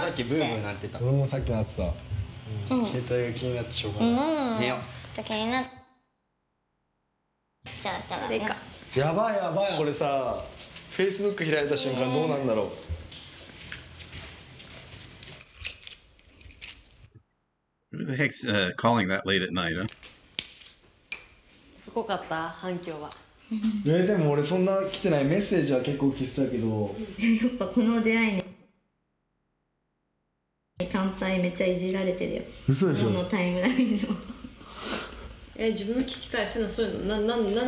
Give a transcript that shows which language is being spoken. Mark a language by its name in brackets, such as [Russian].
[Japanese] さっきブームになってた。俺もさっきなってた。うん、携帯が気になってしょうがない。うん、ちょっと気になっちゃうからね。やばいやばい、これさ、フェイスブック開いた瞬間どうなんだろう。 [English] Who the heck's calling that late at night, huh? [Japanese] すごかった反響は。でも俺そんな来てない、メッセージは結構来てたけど。やっぱこの出会いに。乾杯めっちゃいじられてるよ。嘘でしょ。このタイムラインの。自分の聞きたいせなそういうの、なん